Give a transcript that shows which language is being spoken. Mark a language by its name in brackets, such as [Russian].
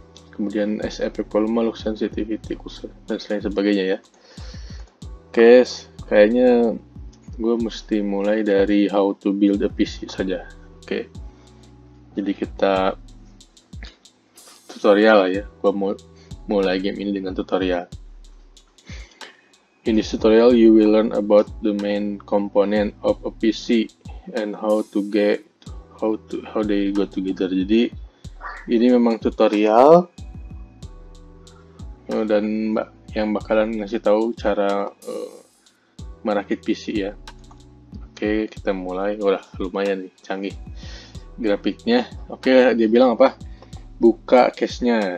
[Indonesian] Kemudian SFP volume, look sensitivity, dan lain sebagainya ya. Oke, kayaknya gue mesti mulai dari [English] how to build a PC [Indonesian] saja. Oke, jadi kita tutorial lah ya. Gue mau mulai game ini dengan tutorial. [English] In this tutorial, you will learn about the main component of a PC and how they go together. [Indonesian] Jadi ini memang tutorial dan yang bakalan ngasih tahu cara merakit PC ya. Oke, kita mulai. Udah lumayan nih, canggih grafiknya. Oke, dia bilang apa? Buka case-nya.